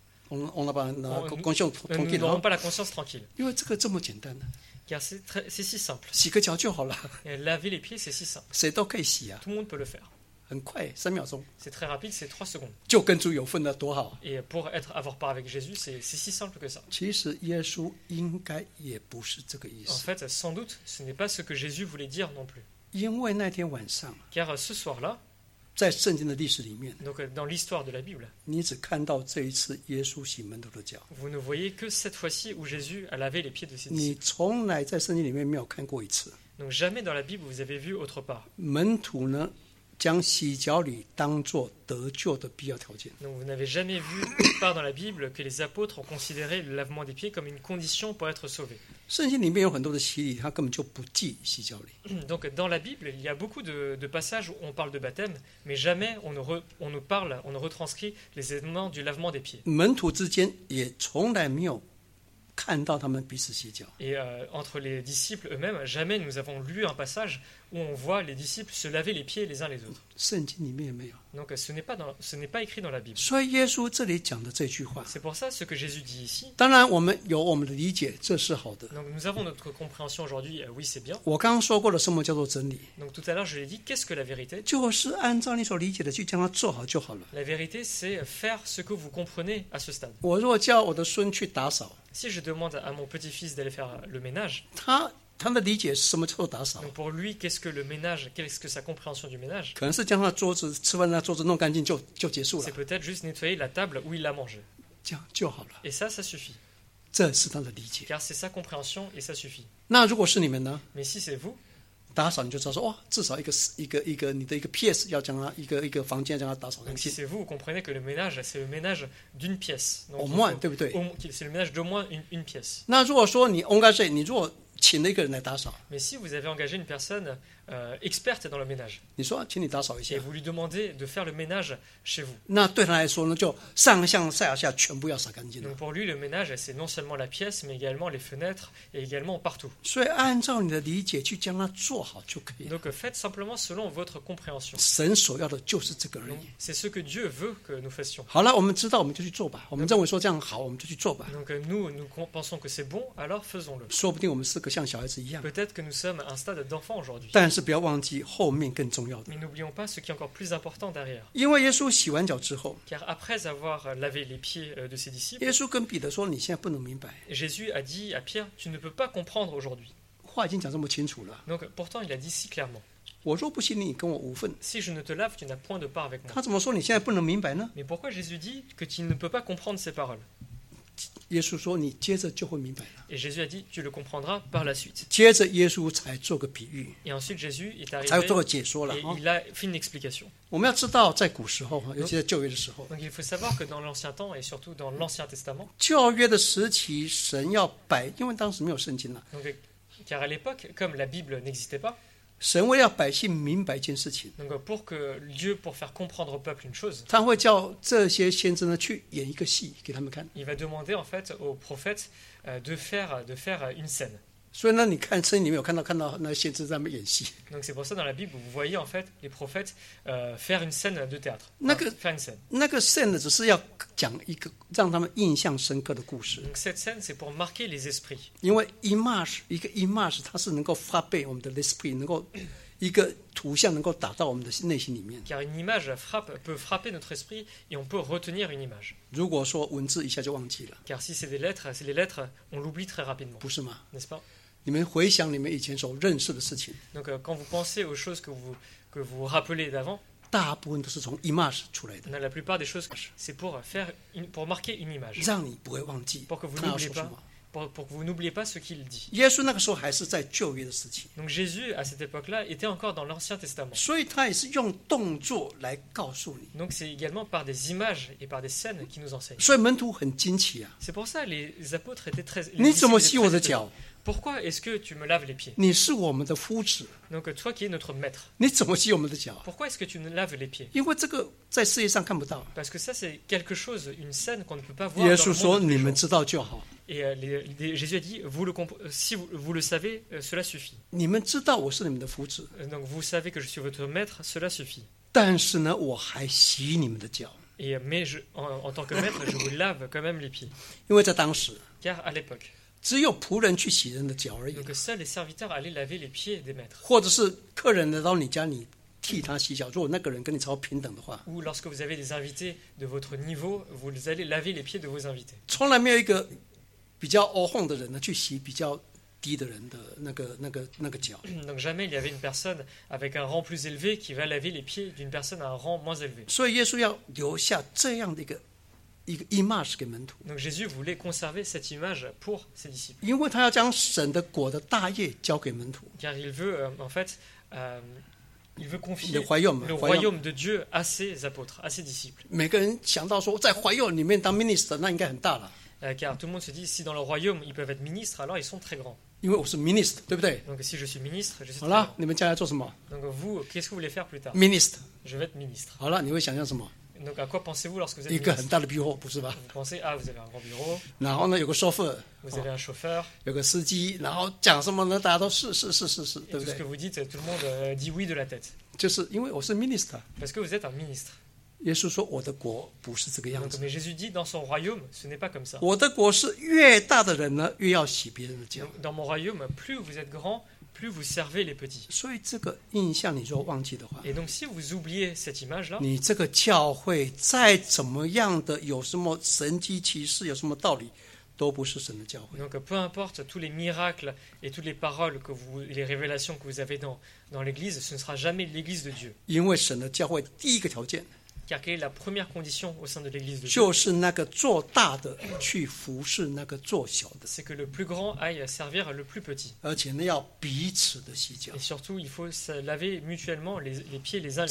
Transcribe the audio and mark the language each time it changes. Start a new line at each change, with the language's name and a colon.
French: On n'a pas la conscience tranquille. Nous n'aurons pas la conscience tranquille.
Chinese: 因为这个这么简单。
French: Car c'est si simple.
Chinese: 洗个脚就好了。
French: Laver les pieds, c'est si simple.
Chinese: 谁都可以洗啊。
French: Tout le monde peut le faire.
Chinese: 很快，三秒钟。
French: C'est très rapide, c'est trois secondes.
Chinese: 就跟主有份的多好。
French: Et pour avoir part avec Jésus, c'est si simple que ça.
Chinese: 其实耶稣应该也不是这个意思。
French: En fait, sans doute, ce n'est pas ce que Jésus voulait dire non plus.
Chinese: 因为那天晚上。
French: Car ce soir-là,
Chinese: 在圣经的历史里面
French: Donc, dans l'histoire de la Bible,
Chinese: 你只看到这一次耶稣洗门徒的脚
French: vous ne voyez que cette fois-ci où Jésus a lavé les pieds de ses disciples.
Chinese: 你从来在圣经里面没有看过一次
French: Donc, jamais dans la Bible vous avez vu autre part.
Chinese: 门徒呢将洗脚礼当作得救的必要条件
French: Donc, vous n'avez jamais vu part dans la Bible que les apôtres ont considéré le lavement des pieds comme une condition pour être sauvé.
Chinese: 圣经里面有很多的洗礼他根本就不记洗脚礼
French: Donc, dans la Bible il y a beaucoup de passages où on parle de baptême mais jamais on ne retranscrit les événements du lavement des pieds.
Chinese: 门徒之间也从来没有看到他们彼此洗脚
French: Et entre les disciples eux-mêmes jamais nous avons lu un passageOu on voit les disciples se laver les pieds les uns les autres.
Chinese: 圣经里面也没有。
French: Donc ce n'est pas écrit dans la Bible.
Chinese: 所以耶稣这里讲的这句话。
French: C'est pour ça ce que Jésus dit ici.
Chinese: 当然我们有我们的理解，这是好的。
French: Donc nous avons notre compréhension aujourd'hui, oui c'est bien.
Chinese: 我刚刚说过了，什么叫做真理
French: ？Donc tout à l'heure je l'ai dit, qu'est-ce que la vérité？
Chinese: 就是按照你所理解的去将它做好就好了。
French: La vérité c'est faire ce que vous comprenez à ce stade.
Chinese: 我若叫我的孙去打扫。
French: Si je demande à mon petit-fils d'aller faire le ménage.
Chinese: 他的理解是什么叫做打扫
French: Donc pour lui, qu'est-ce que le ménage, qu'est-ce que sa compréhension du ménage?
Chinese: 可能是将他桌子吃饭的桌子弄干净就结束了。
French: C'est peut-être juste nettoyer la table où il a mangé.
Chinese: 这样就好了。
French: Et ça suffit.
Chinese: 这是他的理解。
French: Car c'est sa compréhension et ça suffit.
Chinese: 那如果是你们呢
French: Mais si c'est vous,
Chinese: 打扫你就知道说哇，至少一个你的一个 pièce 要将它一个房间将它打扫干净。
French: Donc si c'est vous, vous comprenez que le ménage, c'est le ménage d'une pièce. Au moins,
Chinese: 对不对
French: C'est le ménage d'au moins une pièce.
Chinese: 那如果说你 engagé, 你如果请了一个人来打扫。
French: Mais si vous avez engagé une personne experte dans le ménage.
Chinese: 你说，请你打扫一下。
French: Et vous lui demandez de faire le ménage chez vous.
Chinese: 那对他来说呢，就上上下下全部要扫干净了。
French: Donc pour lui, le ménage, c'est non seulement la pièce, mais également les fenêtres et également partout.
Chinese: 所以按照你的理解去将它做好就可以了。
French: Donc faites simplement selon votre compréhension.
Chinese: 神所要的就是这个人。
French: C'est ce que Dieu veut que nous fassions.
Chinese: 好了，我们知道，我们就去做吧。我们认为说这样好，我们就去做吧。
French: Donc nous pensons que c'est bon, alors faisons-le.
Chinese: 说不定我们是个像小孩子一样。
French: Peut-être que nous sommes à un stade d'enfant aujourd'hui.
Chinese: 但是不要忘记后面更重要的。
French: Mais n'oublions pas ce qui est encore plus important derrière.
Chinese: 因为耶稣洗完脚之后。
French: Car après avoir lavé les pieds de ses disciples.
Chinese: 耶稣跟彼得说：“你现在不能明白。”
French: Jésus a dit à Pierre: "Tu ne peux pas comprendre aujourd'hui."
Chinese: 话已经讲这么清楚了。
French: Donc pourtant il a dit si clairement.
Chinese: 我若不洗你，跟我无份。
French: Si je ne te lave, tu n'as point de part avec moi.
Chinese: 他怎么说你现在不能明白呢？
French: Mais pourquoi Jésus dit que tu ne peux pas comprendre ces paroles?
Chinese: 耶稣说你接着就会明白了。
French: Et Jésus a dit tu le comprendras par la suite.
Chinese: 接着耶稣才做个比喻。
French: Et ensuite Jésus est arrivé.
Chinese: 才做个解说了。
French: Et il a fait une explication.
Chinese: 我们要知道，在古时候，尤其在旧约的时候。
French: Donc il faut savoir que dans l'Ancien Temps et surtout dans l'Ancien Testament.
Chinese: 旧约的时期，神要摆，因为当时没有圣经了。
French: Car à l'époque, comme la Bible n'existait pas.
Chinese: 神为了百姓明白一件事情，
French: Donc, pour que Dieu pour faire comprendre au peuple une chose,
Chinese: 他会叫这些先知呢去演一个戏给他们看。
French: Il va demander en fait aux prophètes de faire une scène.
Chinese: 所以呢，你看圣经里面有看到那先知在那边演戏。
French: Donc c'est pour ça dans la Bible vous voyez en fait les prophètes faire une scène de théâtre. faire une scène.
Chinese: 那个 scène 只是要讲一个让他们印象深刻的故事。
French: Donc cette scène c'est pour marquer les esprits.
Chinese: 因为 image 一个 image 它是能够 frappe 我们的 l'esprit 能够一个图像能够打到我们的内心里面。
French: Car une image peut frapper notre esprit et on peut retenir une image.
Chinese: 如果说文字一下就忘记了。
French: Car si c'est des lettres, c'est les lettres, on l'oublie très rapidement.
Chinese: 不是吗？
French: N'est-ce pas？
Chinese: 你们回想你们以前所认识的事情。
French: Donc quand vous pensez aux choses que vous rappelez d'avant,
Chinese: 大部分都是从 image 出来的。
French: Dans la plupart des choses, c'est pour marquer une image.
Chinese: 让你不会忘记。
French: Pour que vous n'oubliez pas. Pour que vous n'oubliez pas ce qu'il dit.
Chinese: 耶稣那个时候还是在旧约的事情。
French: Donc Jésus à cette époque-là était encore dans l'Ancien Testament.
Chinese: 所以他也是用动作来告诉你。
French: Donc c'est également par des images et par des scènes qui nous enseigne.
Chinese: 所以门徒很惊奇啊。
French: C'est pour ça les apôtres étaient très.
Chinese: 你怎么洗我的脚？
French: Pourquoi est-ce que tu me laves les pieds?
Chinese: 你是我们的夫子。
French: Donc toi qui es notre maître.
Chinese: 你怎么洗我们的脚？
French: Pourquoi est-ce que tu me laves les pieds?
Chinese: 因为这个在世界上看不到。
French: Parce que ça c'est quelque chose, une scène qu'on ne peut pas voir.
Chinese: 耶稣说你们知道就好。
French: Et Jésus a dit, si vous le savez, cela suffit.
Chinese: 你们知道我是你们的夫子。
French: Donc vous savez que je suis votre maître, cela suffit.
Chinese: 但是呢，我还洗你们的脚。
French: Mais en tant que maître, je vous lave quand même les pieds.
Chinese: 因为在当时。
French: Car à l'époque.
Chinese: 只有仆人去洗人的脚而已。
French: Donc seuls les serviteurs allaient laver les pieds des maîtres.
Chinese: 或者是客人来到你家，你替他洗脚。如果那个人跟你超平等的话。
French: Ou lorsque vous avez des invités de votre niveau, vous allez laver les pieds de vos invités.
Chinese: 从来没有一个比较欧红的人呢去洗比较低的人的那个脚。
French: Donc jamais il y avait une personne avec un rang plus élevé qui va laver les pieds d'une personne à un rang moins élevé.
Chinese: 所以耶稣要留下这样的一个 image 给门徒。
French: Donc Jésus voulait conserver cette image pour ses disciples.
Chinese: 因为他要将神的国的大业交给门徒。
French: Car il veut en fait, il veut confier le royaume de Dieu à ses apôtres, à ses disciples.
Chinese: 每个人想到说在royaume里面当 ministre, 那应该很大了。
French: Car tout le monde se dit si dans le royaume ils peuvent être ministres, alors ils sont très grands.
Chinese: 因为我是 ministre, 对不对？
French: Donc si je suis ministre, je suis.
Chinese: 好了，你们将来做什么？
French: Donc vous, qu'est-ce que vous voulez faire plus tard? Ministre. Je vais être ministre.
Chinese: 好了，你会想象什么？
French: Donc à quoi pensez-vous lorsque vous êtes un ministre?
Chinese: 一个很大的 bureau, 不是吧？
French: Vous pensez, ah, vous avez un grand bureau.
Chinese: 然后呢，有个 chauffeur.
French: Vous avez un chauffeur.
Chinese: 有个司机，然后讲什么呢？大家都是，对不对？
French: Et tout ce que vous dites, tout le monde dit oui de la tête.
Chinese: 就是因为我是 ministre.
French: Parce que vous êtes un ministre.
Chinese: 耶稣说我的国不是这个样子。
French: Mais Jésus dit, dans son royaume, ce n'est pas comme ça.
Chinese: 我的国是越大的人呢，越要洗别人的脚。
French: Dans mon royaume, plus vous êtes grand,plus vous servez les petits.
Chinese: 所以这个印象你若忘记的话，
French: Et donc si vous oubliez cette image-là,
Chinese: 你这个教会再怎么样的有什么神迹奇事有什么道理都不是神的教会。
French: Donc peu importe tous les miracles et toutes les paroles que vous, les révélations que vous avez dans l'église, ce ne sera jamais l'église de Dieu.
Chinese: 因为神的教会第一个条件，
French: car quelle est la première condition au sein de l'église de Dieu?
Chinese: 就是那个做大的去服侍那个做小的。
French: C'est que le plus grand aille servir le plus petit.
Chinese: 而且呢，要彼此的洗脚。
French: Et surtout, il faut se laver mutuellement les pieds les uns les